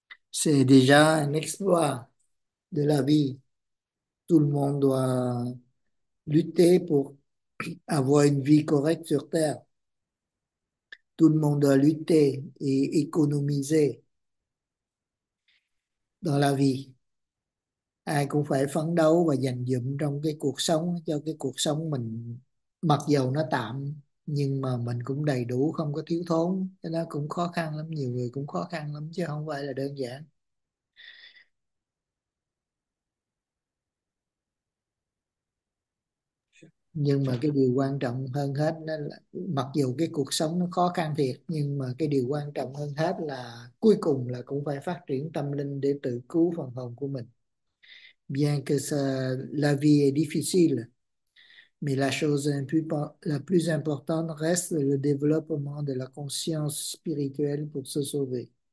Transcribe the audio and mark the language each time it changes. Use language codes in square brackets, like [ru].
[fr] C'est déjà un exploit de la vie. Tout le monde doit lutter pour avoir une vie correcte sur Terre. Tout le monde doit lutter et économiser dans la vie. [vi] Ai cũng phải phấn đấu và dành dụm trong cái cuộc sống, cho cái cuộc sống mình, mặc dầu nó tạm, nhưng mà mình cũng đầy đủ, không có thiếu thốn. Cái đó cũng khó khăn lắm, nhiều người cũng khó khăn lắm chứ không phải là đơn giản. Nhưng mà cái điều quan trọng hơn hết đó là, mặc dù cái cuộc sống nó khó khăn thiệt, nhưng mà cái điều quan trọng hơn hết là cuối cùng là cũng phải phát triển tâm linh để tự cứu phần hồn của mình. [fr] Bien que ça, la vie est difficile, mais la chose la plus importante reste le développement de la conscience spirituelle pour se sauver.